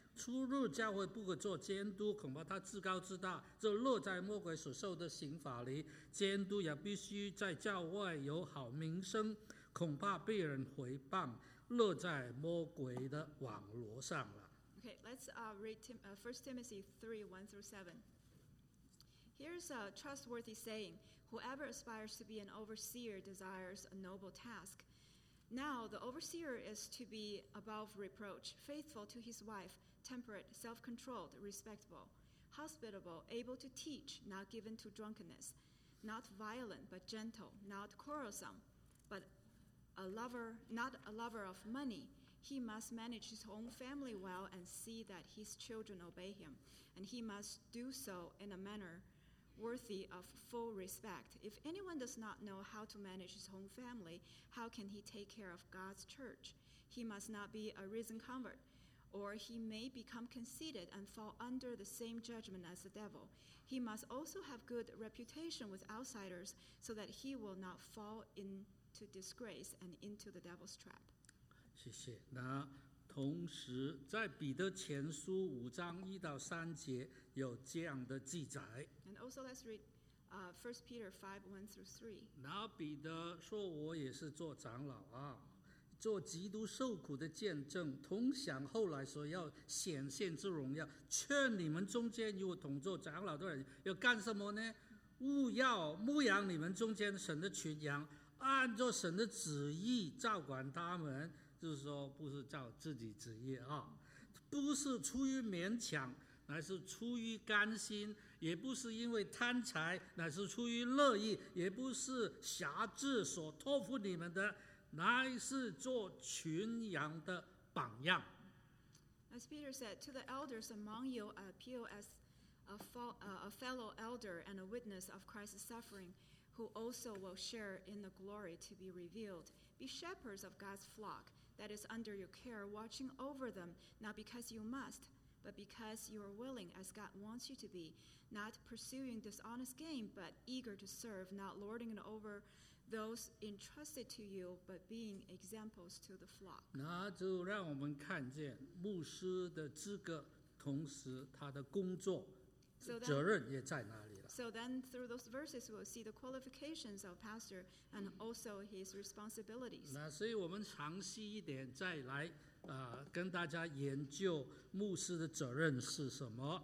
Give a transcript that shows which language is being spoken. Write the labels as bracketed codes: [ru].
[zh] 出入教会不可做监督，恐怕他自高自大，就落在魔鬼所受的刑罚里。监督也必须在教外有好名声，恐怕被人毁谤，落在魔鬼的网罗上了。 [en] Okay, let's read First Timothy 3:1-7. Here's a trustworthy saying. Whoever aspires to be an overseer desires a noble task. Now, the overseer is to be above reproach, faithful to his wife, temperate, self-controlled, respectable, hospitable, able to teach, not given to drunkenness, not violent but gentle, not quarrelsome, but a lover, not a lover of money. He must manage his own family well and see that his children obey him, and he must do so in a manner worthy of full respect. If anyone does not know how to manage his own family, how can he take care of God's church? He must not be a risen convert, or he may become conceited and fall under the same judgment as the devil. He must also have good reputation with outsiders so that he will not fall into disgrace and into the devil's trap. [zh] 谢谢。那同时在彼得前书5:1-3有这样的记载。 [en] And also let's read First Peter 5:1-3. [zh] 那彼得说，我也是做长老啊，做基督受苦的见证，同享后来所要显现之荣耀。劝你们中间与我同做长老的人要干什么呢？务要牧养你们中间神的群羊，按照神的旨意照管他们。就是说不是照自己旨意啊，不是出于勉强，乃是出于甘心，也不是因为贪财，乃是出于乐意，也不是侠志所托付你们的，乃是做群羊的榜样。 [en] As Peter said, to the elders among you, I appeal as a fellow elder and a witness of Christ's suffering, who also will share in the glory to be revealed. Be shepherds of God's flock that is under your care, watching over them, not because you must, but because you are willing, as God wants you to be, not pursuing dishonest gain, but eager to serve, not lording it over those entrusted to you, but being examples to the flock. [zh] 那就让我们看见牧师的资格，同时他的工作。 [en] So then through those verses we'll see the qualifications of pastor and also his responsibilities. [zh] 那所以我们详细一点再来跟大家研究牧师的责任是什么。